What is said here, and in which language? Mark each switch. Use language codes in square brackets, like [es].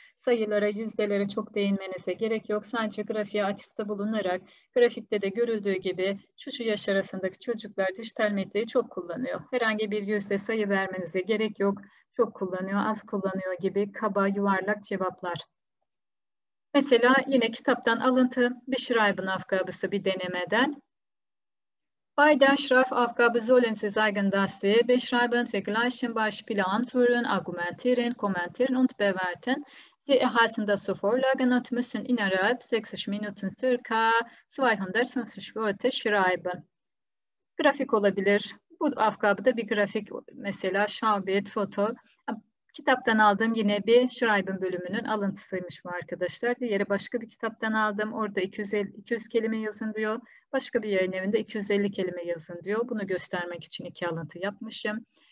[tr] Sayılara, yüzdelere çok değinmenize gerek yok. Sadece grafiğe atıfta bulunarak grafikte de görüldüğü gibi şu yaş arasındaki çocuklar dijital medyayı çok kullanıyor. Herhangi bir yüzde sayı vermenize gerek yok. Çok kullanıyor, az kullanıyor gibi kaba yuvarlak cevaplar. Mesela yine kitaptan alıntı bir Schreiben Aufgabe'si bir denemeden. [de] Bei der Schreibaufgabe sollen Sie sagen, dass Sie beschreiben, vergleichen, Beispiele anführen, argumentieren, kommentieren und bewerten. Sie erhalten das zur Vorlage und müssen innerhalb 60 Minuten circa 250 Wörter schreiben. [tr] Grafik olabilir. Bu Aufgabe'da bir grafik, mesela Schaubild, Foto. Kitaptan aldığım yine bir Schreiben bölümünün alıntısıymış bu arkadaşlar. Diğeri başka bir kitaptan aldım. Orada 200 kelime yazın diyor. Başka bir yayın evinde 250 kelime yazın diyor. Bunu göstermek için iki alıntı yapmışım.